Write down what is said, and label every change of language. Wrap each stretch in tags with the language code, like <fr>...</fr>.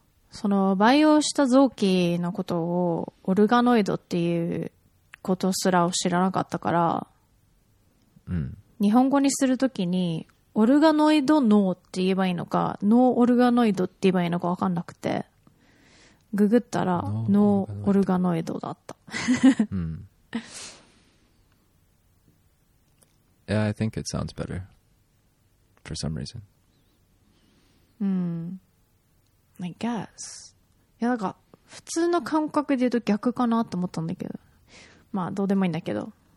<ja>その培養した臓器のことをオルガノイドっていうことすらを知らなかったから、日本語にするときにオルガノイド脳って言えばいいのか、脳オルガノイドって言えばいいのか分かんなくて、ググったら脳オルガノイドだった。</ja> <en>Yeah, I think it sounds better for some reason. I guess.</en> <ja>いや、なんか普通の感覚で言うと逆かなと思ったんだけど。まあどうでもいいんだけど。</ja>